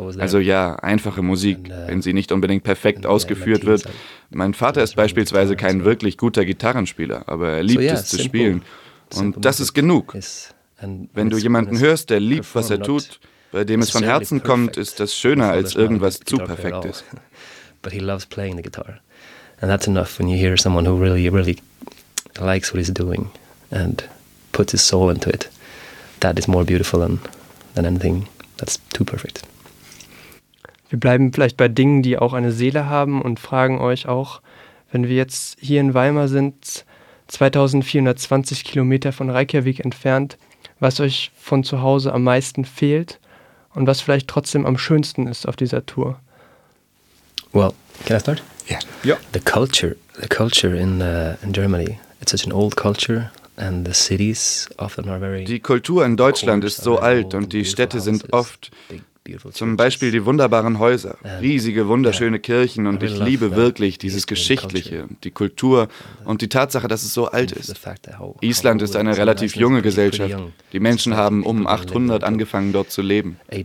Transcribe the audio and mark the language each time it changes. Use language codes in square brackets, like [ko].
[de] Also ja, einfache Musik, wenn sie nicht unbedingt perfekt ausgeführt wird. Mein Vater ist beispielsweise kein wirklich guter Gitarrenspieler, aber er liebt es zu spielen. Und das ist genug. Wenn du jemanden hörst, der liebt, was er tut, bei dem es von Herzen kommt, ist das schöner als irgendwas zu Perfektes. [en] But he loves playing the guitar. And that's enough when you hear someone who really, really likes what he's doing and puts his soul into it. That is more beautiful than anything that's too perfect. [de] Wir bleiben vielleicht bei Dingen, die auch eine Seele haben und fragen euch auch, wenn wir jetzt hier in Weimar sind, 2420 Kilometer von Reykjavik entfernt, was euch von zu Hause am meisten fehlt und was vielleicht trotzdem am schönsten ist auf dieser Tour. [en] Well, can I start? Yeah. Yeah. The culture in Germany, it's such an old culture. And the cities often are very [de] die Kultur in Deutschland ist so alt und die Städte sind oft, zum Beispiel die wunderbaren Häuser, riesige, wunderschöne Kirchen und ich liebe wirklich dieses Geschichtliche, die Kultur und die Tatsache, dass es so alt ist. Island ist eine relativ junge Gesellschaft. Die Menschen haben um 800 angefangen, dort zu leben.